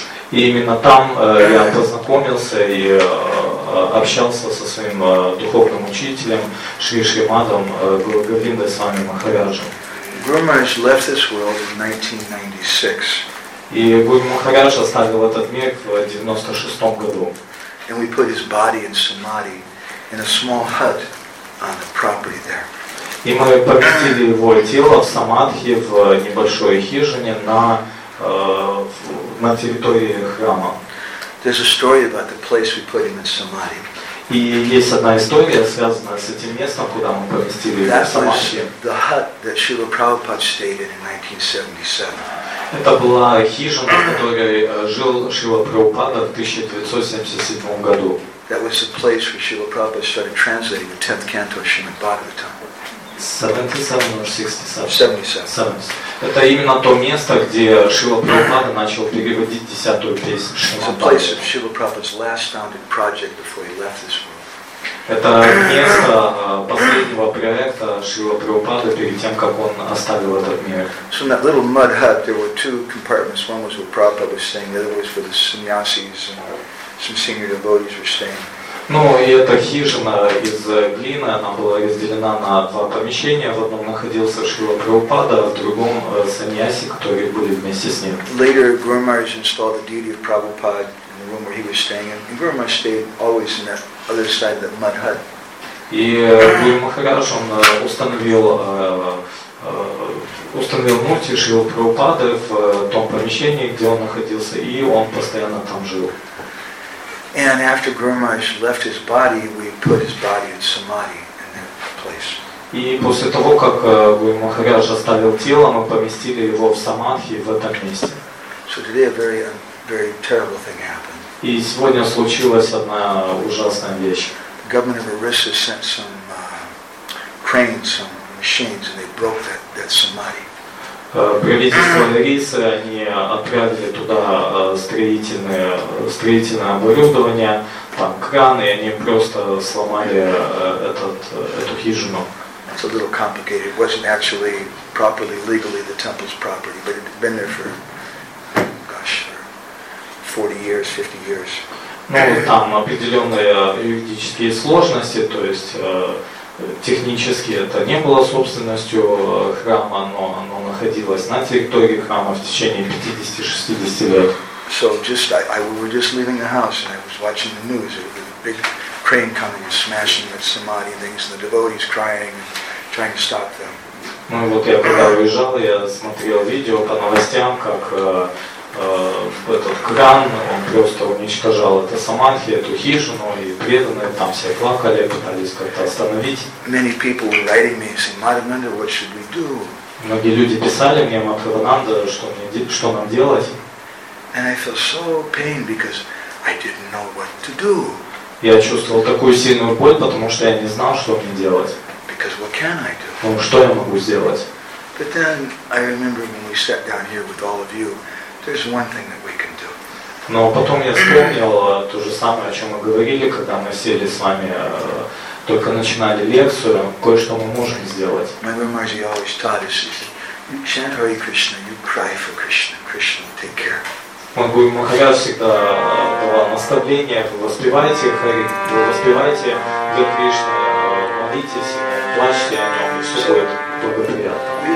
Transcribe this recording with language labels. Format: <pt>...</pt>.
<ru>И именно там я познакомился и общался со своим духовным учителем Шри Шримадом Гуру-Говиндой Свами Махараджем.</ru> <en>Guru Maharaj left this world in 1996.</en> <ru>И Гуру Махарадж оставил этот мир в 96 году.</ru> <en>And we put his body in samadhi in a small hut on the property there.</en> <ru>И мы поместили его тело в самадхи в небольшой хижине на территории храма.</ru> <en>There's a story about the place we put him in samadhi.</en> <ru>И есть одна история, связанная с этим местом, куда мы поместили его в самадхи.</ru> <en>That was the hut that Srila Prabhupada stayed in 1977.</en> <ru>Это была хижина, в которой жил Шрила Прабхупада в 1977 году.</ru> <en>That was the place where Srila Prabhupada started translating the 10th canto of Srimad Bhagavatam. 77.</en> <ru>Это именно то место, где Шрила Прабхупада начал переводить 10-ю песню Шримад-Бхагаватам. Это место последнего проекта Шрила Прабхупады перед тем, как он оставил этот мир.</ru> <en>So in that little mud hut there were two compartments. One was where Prabhupada was staying, the other was for the sannyasis and some senior devotees were staying.</en> <ru>Ну и эта хижина из глины, она была разделена на два помещения. В одном находился Шрила Прабхупада, в другом саньяси, которые были вместе с ним.</ru> <en>Later, Guru Maharaj installed the deity of Prabhupada in the room where he was staying, and Guru Maharaj stayed always in that other side of the mud hut.</en> <ru>И Гуру Махарадж он установил мурти Шрила Прабхупады в том помещении, где он находился, и он постоянно там жил.</ru> <en>And after Guru Maharaj left his body, we put his body in samadhi in that place.</en> <ru>И после того, как Гуру Махарадж оставил тело, мы поместили его в самадхи в этом месте.</ru> <en>So today a very, very terrible thing happened.</en> <ru>И сегодня случилась одна ужасная вещь.</ru> <en>Government of Orissa sent some cranes, some machines, and they broke that samadhi.</en> <ru>Правительство Орисы, они отправили туда строительное оборудование, там краны, и они просто сломали эту хижину.</ru> <en>It's a little complicated. It wasn't actually properly, legally the temple's property, but it had been there for, gosh, 40 years, 50 years.</en> <ru>Ну, там определенные юридические сложности, то есть технически это не было собственностью храма, но оно находилось на территории храма в течение 50-60 лет.</ru> <en>So just, we were just leaving the house, and I was watching the news, it was a big crane coming and smashing the samadhi and things, and the devotees crying and trying to stop them.</en> <ru>Ну и вот я когда уезжал, я смотрел видео по новостям, как этот кран, он просто уничтожал это самадхи, эту хижину, и преданные там все плакали, пытались как-то остановить.</ru> <en>Many people were writing me saying, Madhavananda, what should we do?</en> <ru>Многие люди писали мне, Мадхавананда, что нам делать?</ru> <en>And I felt so pain because I didn't know what to do.</en> <ru>Я чувствовал такую сильную боль, потому что я не знал, что мне делать.</ru> <en>Because what can I do?</en> <ru>Ну, что я могу сделать?</ru> <en>But then I remember when we sat down here with all of you, there's one thing that we can do.</en> <ru>Но потом я вспомнил то же самое, о чем мы говорили, когда мы сели с вами, только начинали лекцию, кое-что мы можем сделать.</ru> <en>My Guru Maharaj always taught us, he said, you chant Hare Krishna, you cry for Krishna, Krishna will take care.</en> <ru>Мой Гуру Махарадж всегда давал наставление, воспевайте Хари, воспевайте Гуру Кришну, молитесь, плачьте о нем, и все будет благоприятно.</ru>